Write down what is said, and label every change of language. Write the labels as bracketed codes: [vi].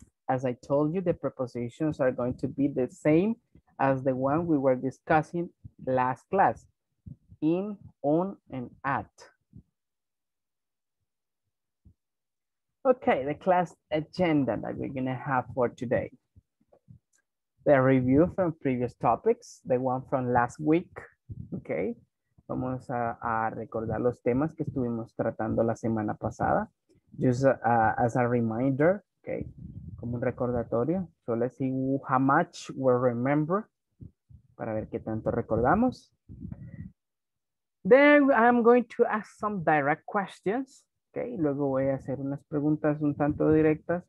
[en] As I told you, the prepositions are going to be the same as the one we were discussing last class, in, on, and at. Okay, the class agenda that we're gonna have for today. The review from previous topics, the one from last week, okay? [es] Vamos a recordar los temas que estuvimos tratando la semana pasada. [en] Just as a reminder, okay? [es] Como un recordatorio. [en] So let's see how much we'll remember. [es] Para ver qué tanto recordamos. [en] Then I'm going to ask some direct questions. [es] Okay, luego voy a hacer unas preguntas un tanto directas.